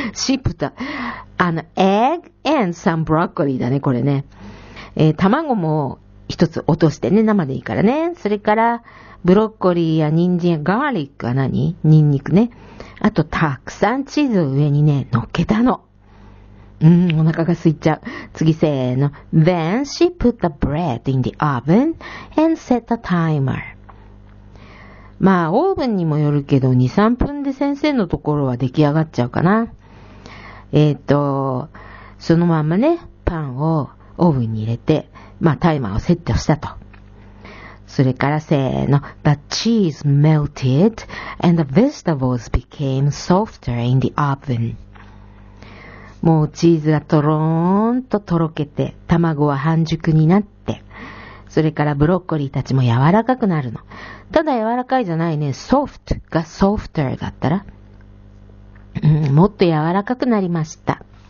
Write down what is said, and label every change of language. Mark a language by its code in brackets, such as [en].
[en] She put egg and some broccoli [ja] だね、これね。卵も一つ落としてね、生でいいからね。それから、ブロッコリーや人参、ガーリックは何？ニンニクね。あと、たくさんチーズを上にね、乗っけたの。お腹が空いちゃう。次、せーの。 [en] Then she put the bread in the oven and set the timer. [ja] まあ、オーブンにもよるけど、2、3分で先生のところは出来上がっちゃうかな。そのままね、パンをオーブンに入れて、まあ、タイマーをセットしたと。それからせーの。 [en] The cheese melted and the vegetables became softer in the oven. [ja] もうチーズがとろーんととろけて、卵は半熟になって、それからブロッコリーたちも柔らかくなるの。ただ柔らかいじゃないね。 soft が softer だったら、うん、もっと柔らかくなりました。